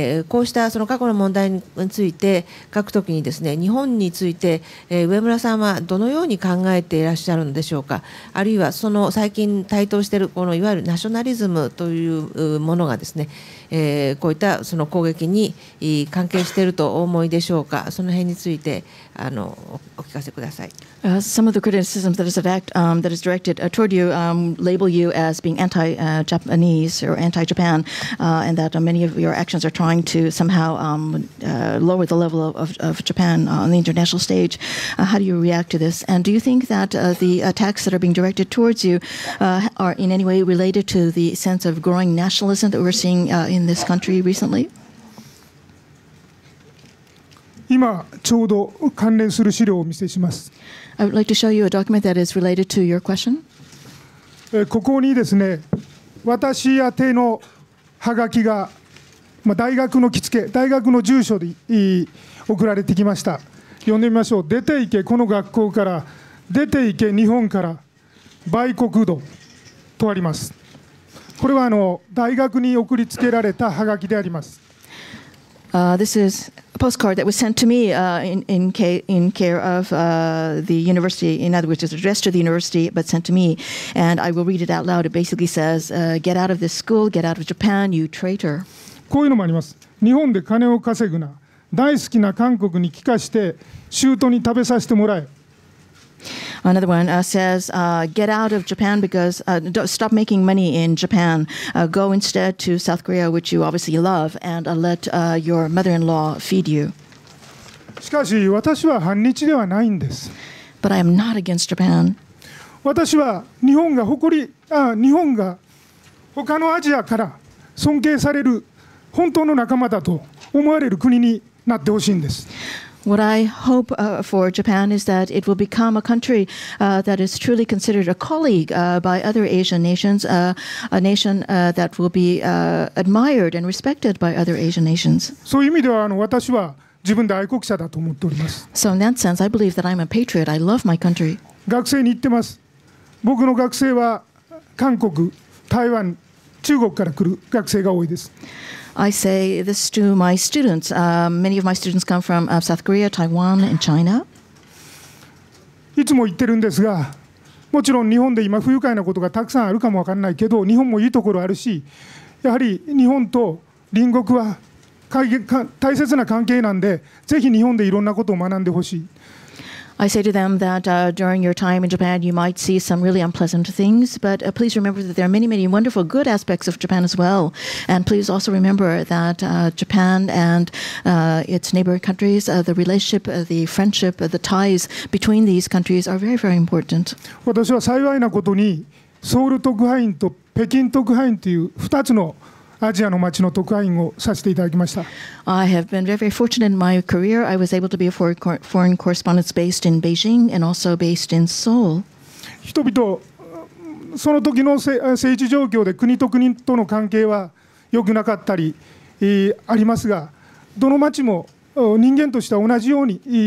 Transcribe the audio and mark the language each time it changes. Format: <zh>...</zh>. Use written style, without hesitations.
<ja>こうしたその過去の問題について書くときにですね、日本について上村さんはどのように考えていらっしゃるのでしょうか。あるいはその最近台頭しているこのいわゆるナショナリズムというものがですね、こういったその攻撃に関係しているとお思いでしょうか。その辺についてお聞かせください。</ja> <en>Some of the criticisms that is, that is directed toward you label you as being anti-Japanese or anti-Japan, and that many of your actions are trying to somehow lower the level of Japan on the international stage. How do you react to this? And do you think that the attacks that are being directed towards you are in any way related to the sense of growing nationalism that we're seeing in this country recently?</en> <ja>今ちょうど関連する資料をお見せします。</ja> <en>I would like to show you a document that is related to your question.</en> <ja>ここにですね、私宛てのハガキが、大学の着付け、大学の住所で送られてきました。読んでみましょう。出て行けこの学校から、出て行け日本から、売国奴とあります。これは大学に送りつけられたハガキであります。</ja> <en>This is a postcard that was sent to me in care of the university. In other words, it's addressed to the university, but sent to me. And I will read it out loud. It basically says, get out of this school, get out of Japan, you traitor.</en> <ja>こういうのもあります。日本で金を稼ぐな。大好きな韓国に帰化して、州都に食べさせてもらえ。</ja> <en>Another one says, get out of Japan because stop making money in Japan. Go instead to South Korea, which you obviously love, and let your mother-in-law feed you.</en> <ja>しかし私は反日ではないんです。</ja> <en>But I am not against Japan.</en> <ja>私は日本が誇り、日本が他のアジアから尊敬される本当の仲間だと思われる国になってほしいんです。</ja> <en>What I hope for Japan is that it will become a country that is truly considered a colleague by other Asian nations, a nation that will be admired and respected by other Asian nations.</en> <ja>そういう意味では私は自分で愛国者だと思っております。</ja> <en>So in that sense, I believe that I'm a patriot. I love my country.</en> <ja>学生に言ってます。僕の学生は韓国、台湾、中国から来る学生が多いです。</ja> <en>I say this to my students. Many of my students come from South Korea, Taiwan, and China.</en> <ja>いつも言ってるんですが、もちろん日本で今不愉快なことがたくさんあるかもわかんないけど、日本もいいところあるし、やはり日本と隣国は大切な関係なんで、ぜひ日本でいろんなことを学んでほしい。</ja> <en>I say to them that during your time in Japan, you might see some really unpleasant things, but please remember that there are many, many wonderful, good aspects of Japan as well. And please also remember that Japan and its neighboring countries, the relationship, the friendship, the ties between these countries are very, very important.</en> <ja>私は幸いなことに、ソウル特派員と北京特派員という二つのアジアの街の特派員をさせていただきました。</ja> <en>I have been very, very fortunate in my career. I was able to be a foreign correspondent based in Beijing and also based in Seoul.</en> <ja>人々、その時の政治状況で国と国との関係は良くなかったり、ありますが、どの街も人間としては同じように、</ja>